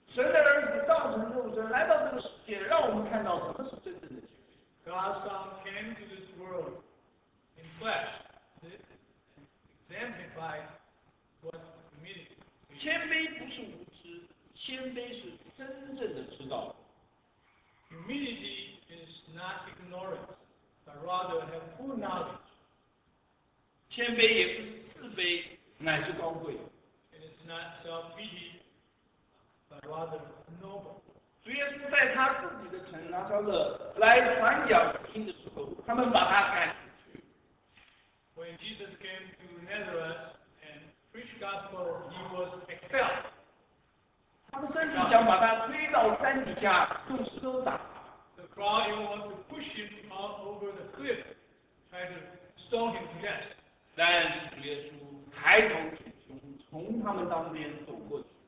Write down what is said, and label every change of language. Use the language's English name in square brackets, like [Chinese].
[Chinese] 神的儿子道成肉身来到这个世界，让我们看到什么是真正的谦卑。 [English] God's Son came to this world in flesh to exemplify what humility is. [Chinese] 谦卑不是无知，谦卑是真正的知道。 [English] Humility is not ignorance, but rather have full knowledge. [Chinese] 谦卑也不是自卑，乃是高贵。 [English] It is not self-pity, but rather noble. [Chinese] 主耶稣在他自己的城拿撒勒来传讲福音的时候，他们把他赶出去。 [English] When Jesus came to Nazareth and preached gospel, he was expelled. [Chinese] 他们甚至想把他推到山底下用石头打。 [English] The crowd even wanted to push him out over the cliff, trying to stone him to death. [Chinese] 但主耶稣抬头挺胸，从他们当边走过去。